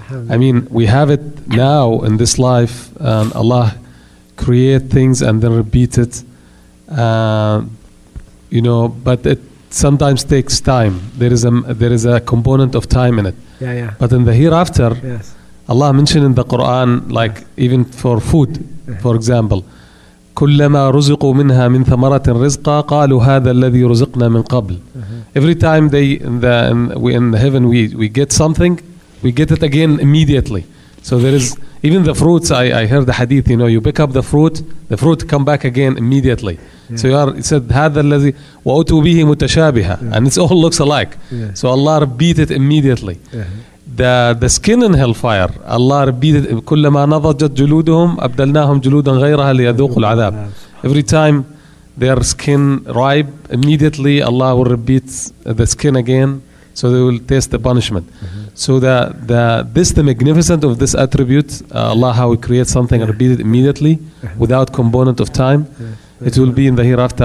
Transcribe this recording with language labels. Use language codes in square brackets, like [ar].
[en] I mean, we have it now in this life, and Allah create things and then repeat it, you know, but it sometimes takes time. There is a component of time in it. Yeah. But in the hereafter, yes. Allah mentioned in the Quran, like, yes, even for food, for example, [ar] كلما رزقوا منها من ثمرة رزقا قالوا هذا الذي رزقنا من قبل. [en] Every time they in the heaven we get something, we get it again immediately. So there is even the fruits. I heard the hadith. You know, you pick up the fruit come back again immediately. Yeah. So you are it said [ar] هذا الذي وأتوا به متشابها, [en] and it all looks alike. Yeah. So Allah repeat it immediately. The skin in hellfire, Allah repeated, [ar] كلما نضجت جلودهم أبدلناهم جلودا غيرها ليذوقوا العذاب. [en] Every time their skin ripe, immediately Allah will repeat the skin again, so they will taste the punishment. Mm-hmm. So this the magnificent of this attribute, Allah, how we create something and repeat it immediately without component of time, it will be in the hereafter.